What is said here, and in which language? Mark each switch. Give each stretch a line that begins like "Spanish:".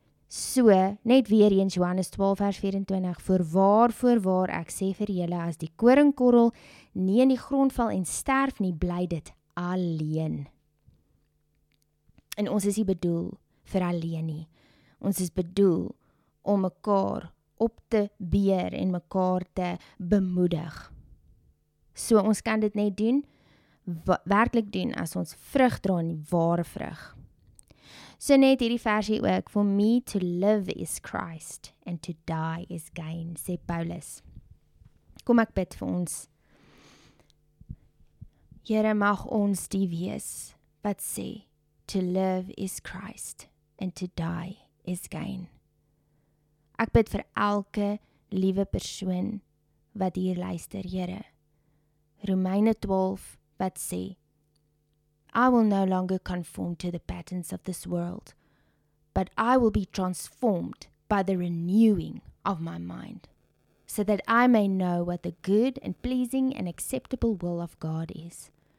Afrikaans: So, net weer eens Johannes 12 vers 24, voorwaar ek sê vir julle, as die koringkorrel nie in die grond val en sterf nie, bly dit alleen. En ons is nie bedoel vir alleen nie. Ons is bedoel om mekaar op te beer en mekaar te bemoedig. So ons kan dit net doen, werklik doen, as ons vrug dra, in die ware vrug. So net hierdie versie ook,
English: for me to live is Christ, and to die is gain,
Afrikaans: sê Paulus. Kom ek bid vir ons. Here, mag ons die wees, wat sê,
English: to live is Christ, and to die is gain.
Afrikaans: Ek bid vir elke liewe persoon wat hier luister, Here. Romeine 12 wat sê,
English: I will no longer conform to the patterns of this world, but I will be transformed by the renewing of my mind, so that I may know what the good and pleasing and acceptable will of God is.